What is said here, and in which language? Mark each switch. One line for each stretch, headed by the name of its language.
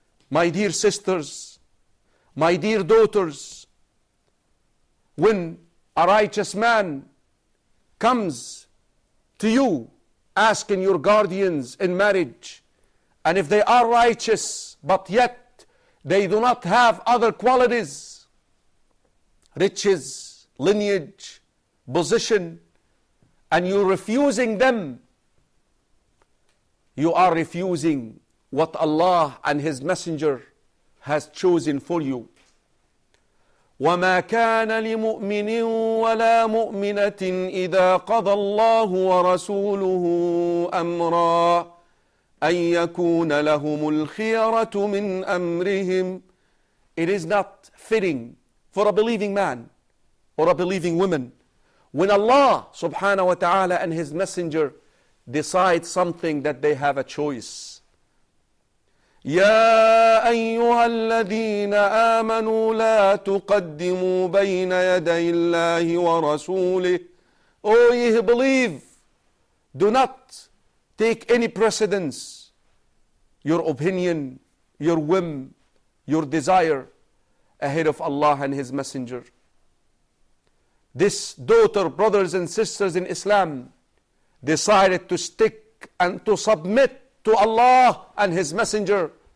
English: My dear sisters, my dear daughters, when a righteous man comes to you asking your guardians in marriage, and if they are righteous but yet they do not have other qualities, riches, lineage, position, and you're refusing them, you are refusing what Allah and His Messenger has chosen for you.
Arabic: وما كان لمؤمن ولا مؤمنة إذا قضى الله ورسوله أمرا أن يكون لهم الخيرة من أمرهم.
English: It is not fitting for a believing man or a believing woman when Allah subhanahu wa ta'ala and His Messenger decide something that they have a choice.
Arabic: يا أيها الذين آمنوا لا تقدموا بين يدي الله ورسوله.
English: O ye who believe, do not take any precedence, your opinion, your whim, your desire, ahead of Allah and His Messenger. This daughter, brothers and sisters in Islam, decided to stick and to submit to Allah and His Messenger.